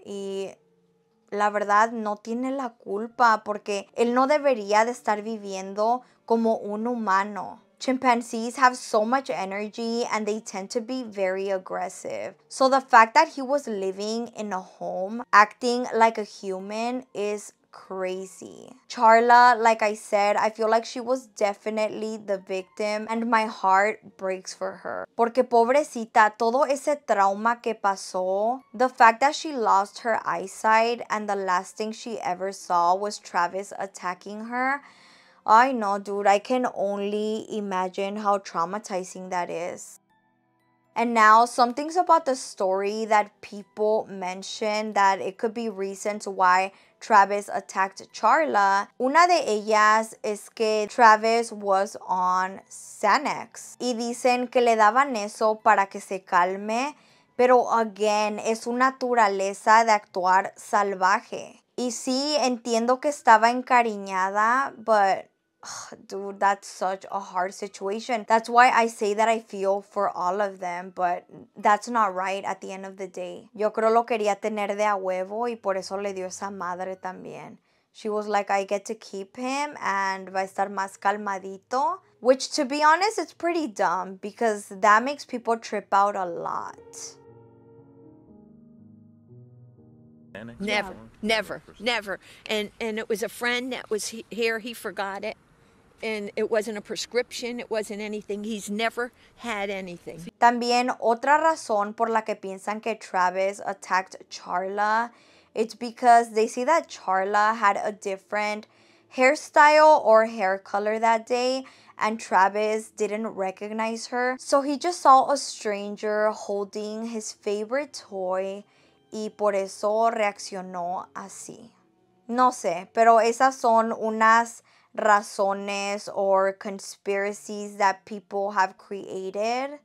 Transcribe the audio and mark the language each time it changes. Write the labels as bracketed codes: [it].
[es] Y la verdad, no tiene la culpa porque él no debería de estar viviendo como un humano. [en] Chimpanzees have so much energy and they tend to be very aggressive. So the fact that he was living in a home acting like a human is crazy. Charla, like I said, I feel like she was definitely the victim and my heart breaks for her. [es] Porque pobrecita, todo ese trauma que pasó, [en] the fact that she lost her eyesight and the last thing she ever saw was Travis attacking her. I know, dude, I can only imagine how traumatizing that is. And now some things about the story that people mention that it could be reasons why Travis attacked Charla. [es] Una de ellas es que [en] Travis was on Xanax. [es] Y dicen que le daban eso para que se calme. Pero again, es su naturaleza de actuar salvaje. Y sí, entiendo que estaba encariñada, [en] but dude, that's such a hard situation. That's why I say that I feel for all of them, but that's not right at the end of the day. [es] Yo creo lo quería tener de a huevo y por eso le dio esa madre también. [en] She was like, I get to keep him and [es] va a estar más calmadito. [en] Which, to be honest, it's pretty dumb because that makes people trip out a lot. Never, never, never. And it was a friend that was here. He forgot it. And it wasn't a prescription. It wasn't anything. He's never had anything. [es] También otra razón por la que piensan que Travis attacked Charla. [en] It's because they see that Charla had a different hairstyle or hair color that day. And Travis didn't recognize her. So he just saw a stranger holding his favorite toy. [es] Y por eso reaccionó así. No sé, pero esas son unas razones [en] or conspiracies that people have created.